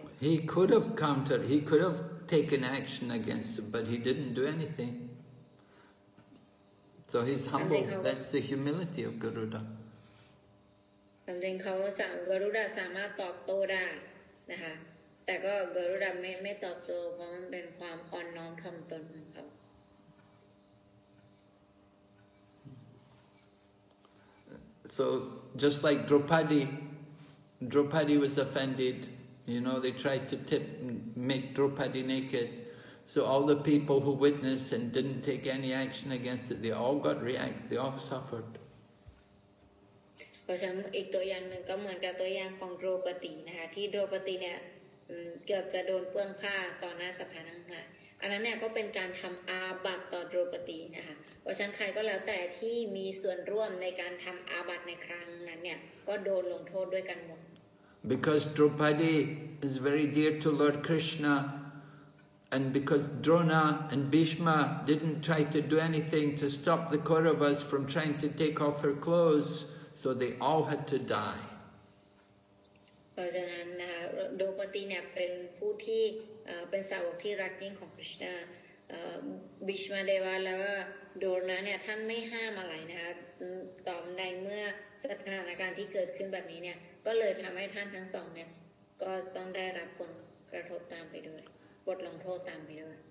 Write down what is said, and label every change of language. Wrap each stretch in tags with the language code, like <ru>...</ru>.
<en>ๆ He could have countered he could have taken action against him, but he didn't do anything so he's humble that's the humility of Garuda</en> <th>จริงๆเขาสาม Garuda สามารถตอบโต้ได้นะคะแต่ก็ Garuda ไม่ตอบโต้เพราะมันเป็นความอ่อนน้อมถ่อมตนของเขา</th> <en>So just like Draupadi was offended, you know, they tried to make Draupadi naked. So all the people who witnessed and didn't take any action against it, they all suffered. For example,</en> <th>อีกตัวอย่างหนึ่งก็เหมือนกับตัวอย่างของ Draupadi นะคะที่ Draupadi เนี่ยเกือบจะโดนเปลืองผ้าต่อหน้าสภานังหะอันนั้นเนี่ยก็เป็นการทำอาบัติต่อ Draupadi นะคะว่าฉันใครก็แล้วแต่ที่มีส่วนร่วมในการทำอาบัติในครั้งนั้นเนี่ยก็โดนลงโทษด้วยกันหมด</th> <en>Because Draupadi is very dear to Lord Krishna and because Drona and Bhishma didn't try to do anything to stop the Kauravas from trying to take off her clothes so they all had to die</en> <th>เพราะฉะนั้นDraupadi เนี่ยเป็นผู้ที่เป็นสาวกที่รักยิ่งของ KrishnaBhishma Deva แล้วก็โดนะเนี่ยท่านไม่ห้ามอะไรนะคะต่อในเมื่อสถานการณ์ที่เกิดขึ้นแบบนี้เนี่ยก็เลยทำให้ท่านทั้งสองเนี่ยก็ต้องได้รับผลกระทบตามไปด้วยบทลงโทษตามไปด้วย</th>